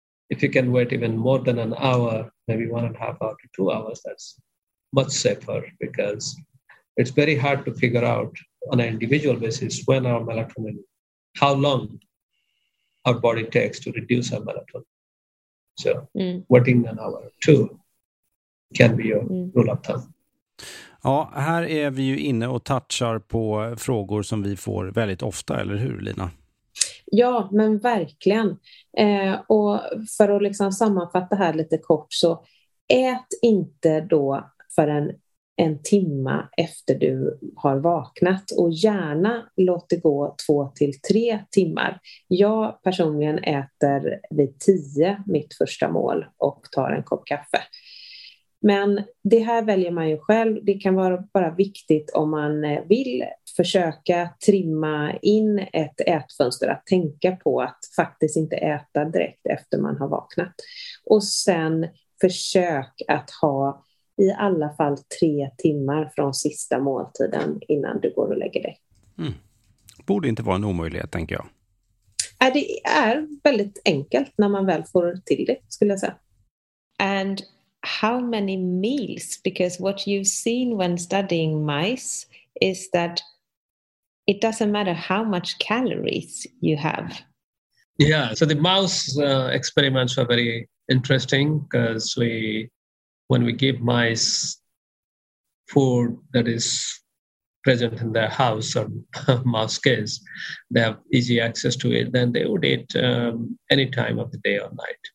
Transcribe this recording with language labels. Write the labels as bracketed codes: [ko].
[en] If you can wait even more than an hour, maybe 1.5 hour to 2 hours, that's much safer, because it's very hard to figure out on an individual basis when our melatonin, how long our body takes to reduce our melatonin. So waiting an hour or two can be your rule of thumb. [sv] Ja, här är vi ju inne och touchar på frågor som vi får väldigt ofta, eller hur Lina? Ja, men verkligen. Och för att liksom sammanfatta här lite kort, så ät inte då för en timma efter du har vaknat, och gärna låt det gå 2 till 3 timmar. Jag personligen äter vid 10 mitt första mål och tar en kopp kaffe. Men det här väljer man ju själv. Det kan vara bara viktigt om man vill försöka trimma in ett ätfönster, att tänka på att faktiskt inte äta direkt efter man har vaknat. Och sen försök att ha i alla fall 3 timmar från sista måltiden innan du går och lägger dig. Mm. Borde inte vara en omöjlighet, tänker jag. Det är väldigt enkelt när man väl får till det, skulle jag säga. [en] And how many meals? Because what you've seen when studying mice is that it doesn't matter how much calories you have. Yeah, so the mouse experiments were very interesting, because when we give mice food that is present in their house, or mouse case, they have easy access to it, then they would eat any time of the day or night.